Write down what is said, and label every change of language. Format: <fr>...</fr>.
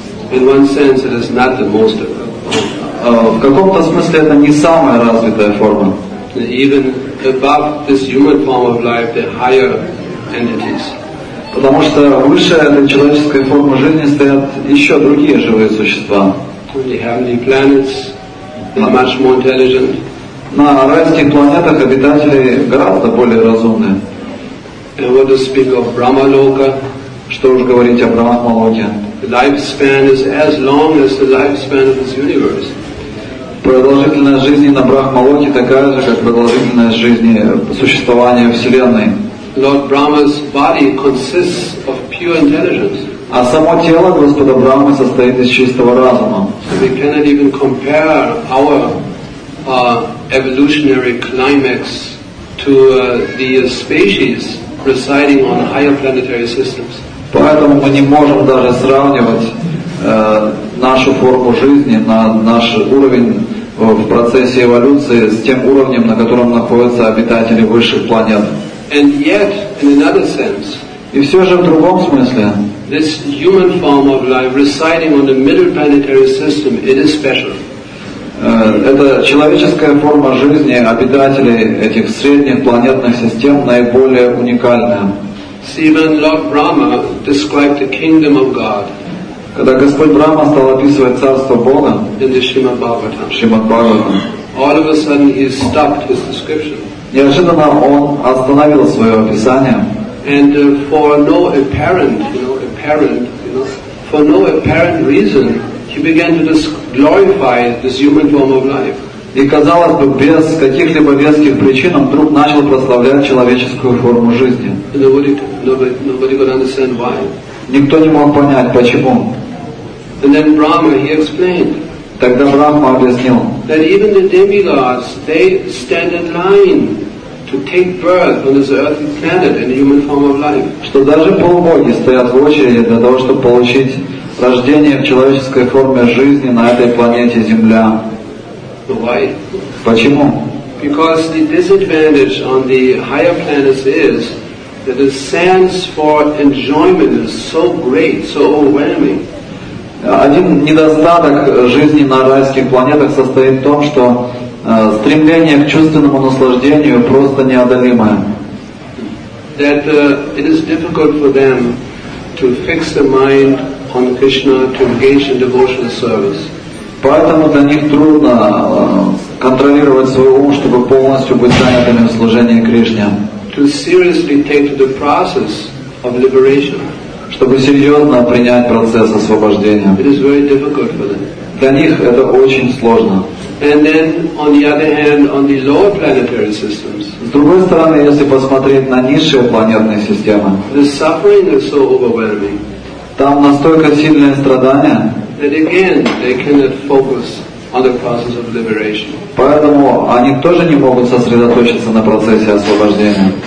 <en>In one sense, it is not the most developed.</en> <ru>В каком-то смысле это не самая развитая форма.</ru> <en>Even above this human form of life, the higher entities.</en> <ru>Потому что выше этой человеческой формы жизни стоят еще другие живые существа.</ru> <en>The heavenly planets, they're much more intelligent.</en> <ru>На райских планетах обитатели гораздо более разумные.</ru> <en>And what to speak of Brahmaloka?</en> <ru>Что уж говорить о Брахмалоке?</ru> <en>The lifespan is as long as the lifespan of this universe.</en> <ru>Продолжительность жизни на Брахмалоке такая же, как продолжительность жизни существования Вселенной.</ru> <en>Lord Brahma's body consists of pure intelligence.</en> <ru>А само тело Господа Брахмы состоит из чистого разума.</ru> <en>So we cannot even compare our evolutionary climax to the species residing on higher planetary systems.</en> <ru>Поэтому мы не можем даже сравнивать нашу форму жизни, наш уровень в процессе эволюции с тем уровнем, на котором находятся обитатели высших планет.</ru> <en>And yet, in another sense,</en> <ru>и все же в другом смысле,</ru> <en>this human form of life residing on the middle planetary system, it is special.</en> <ru>Это человеческая форма жизни обитателей этих средних планетных систем наиболее уникальная.</ru> <en>Even Lord Brahma described the kingdom of God.</en> <ru>Когда Господь Брахма стал описывать царство Бога,</ru> <en>in the Shrimad Bhagavatam,</en> <ru>Shrimad Bhagavatam,</ru> <en>all of a sudden he stopped his description.</en> <ru>Неожиданно он остановил свое описание.</ru> <en>And for no apparent reason, he began to glorify this human form of life.</en> <ru>И казалось бы, без каких-либо веских причин он вдруг начал прославлять человеческую форму жизни.</ru> <en>Nobody could understand why.</en> <ru>Никто не мог понять, почему.</ru> <en>And then Brahma, he explained.</en> <ru>Тогда Брахма объяснил.</ru> <en>That even the demigods, they stand in line to take birth on this earthly planet in a human form of life.</en> <ru>Что даже полубоги стоят в очереди для того, чтобы получить рождение в человеческой форме жизни на этой планете Земля.</ru> <en>Why?</en> <ru>Почему?</ru> <en>Because the disadvantage on the higher planets is that the sense for enjoyment is so great, so overwhelming.</en> <ru>Один недостаток жизни на райских планетах состоит в том, что стремление к чувственному наслаждению просто неодолимое.</ru> <en>That it is difficult for them to fix the mind on Krishna to engage in devotional service.</en> <ru>Поэтому для них трудно контролировать свой ум, чтобы полностью быть занятыми в служении Кришне.</ru> <en>To seriously take to the process of liberation.</en> <ru>Чтобы серьезно принять процесс освобождения.</ru> <en>It is very difficult for them.</en> <ru>Для них это очень сложно.</ru> <en>And then, on the other hand, on the lower planetary systems.</en> <ru>С другой стороны, если посмотреть на низшие планетные системы,</ru> <en>the suffering is so overwhelming.</en> <ru>Там настолько сильные страдания.</ru> <en>That again, they cannot focus on the process of liberation.</en> <ru>Поэтому они тоже не могут сосредоточиться на процессе освобождения.</ru>